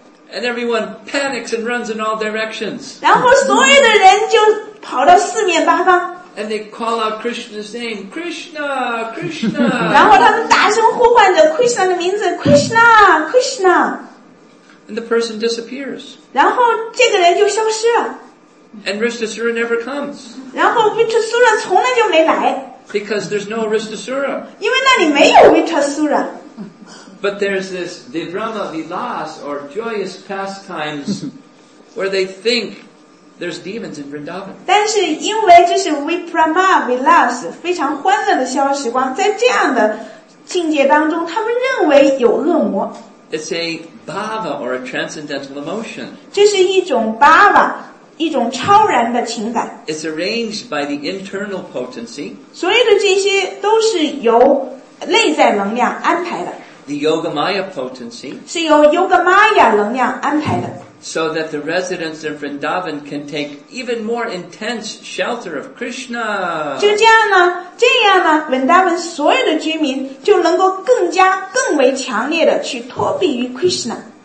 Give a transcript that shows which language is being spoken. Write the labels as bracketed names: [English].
[English] And everyone panics and runs in all directions. [Chinese] 然后所有的人就跑到四面八方。 [English] And they call out Krishna's name, Krishna, Krishna. [Chinese] 然后他们大声呼唤着 Krishna 的名字 ,Krishna, Krishna. [English] And the person disappears. [Chinese] 然后这个人就消失了。 [English] And Rishtasura never comes. [Chinese] 然后 Rishtasura 从来就没来。 [English] Because there's no Rishtasura. [Chinese] 因为那里没有 Rishtasura。 [English] But there's this Vibrama Vilas or joyous pastimes where they think there's demons in Vrindavan. [Chinese] 但是因为这是 Vibrama Vilas 非常欢乐的消时光在这样的境界当中他们认为有恶魔。 [English] It's a bhava or a transcendental emotion. [Chinese] 这是一种 bhava, 一种超然的情感。 [English] It's arranged by the internal potency. [Chinese] 所有的这些都是由内在能量安排的。 [English] The yoga maya potency [Chinese] 是由 yoga maya 能量安排的 [English] so that the residents of Vrindavan can take even more intense shelter of Krishna [Chinese] 就这样呢 Vrindavan 所有的居民就能够更为强烈的去托庇于 Krishna